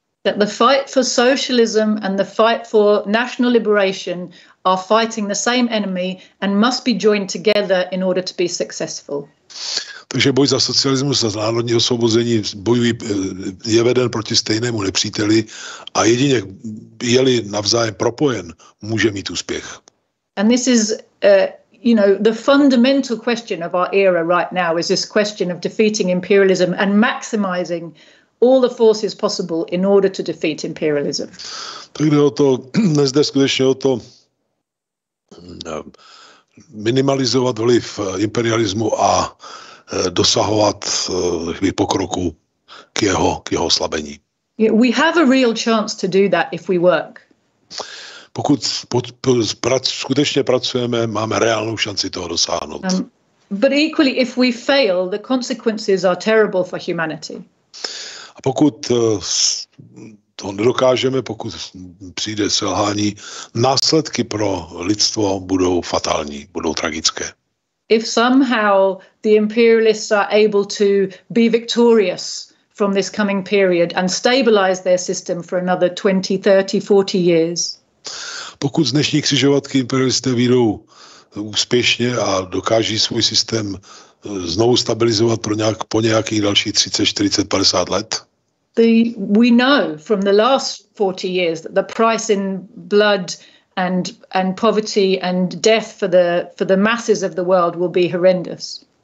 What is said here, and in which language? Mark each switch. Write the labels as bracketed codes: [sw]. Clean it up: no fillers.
[en] That the fight for socialism and the fight for national liberation are fighting the same enemy and must be joined together in order to be successful. [cs] Takže boj za socialismus a za národní osvobození bojují, je veden proti stejnému nepříteli a jedině, je-li navzájem propojen, může mít úspěch. [en] And this is, you know, the fundamental question of our era right now is this question of defeating imperialism and maximizing all the forces possible in order to defeat imperialism. [cs] Tak jde o to, dnes jde skutečně o to, minimalizovat vliv imperialismu a dosahovat pokroku k jeho oslabení. [en] We have a real chance to do that if we work. [cs] Pokud skutečně pracujeme, máme reálnou šanci toho dosáhnout. [en] But equally, if we fail, the consequences are terrible for humanity. [cs] A pokud to nedokážeme, pokud přijde selhání, následky pro lidstvo budou fatální, budou tragické. [en] If somehow the imperialists are able to be victorious from this coming period and stabilize their system for another 20, 30, 40 years. [cs] Pokud z dnešní křižovatky imperialisté vyjdou úspěšně a dokáží svůj systém znovu stabilizovat po nějakých dalších 30, 40, 50 let. [en] we know from the last 40 years that the price in blood and poverty and death for the masses of the world will be horrendous.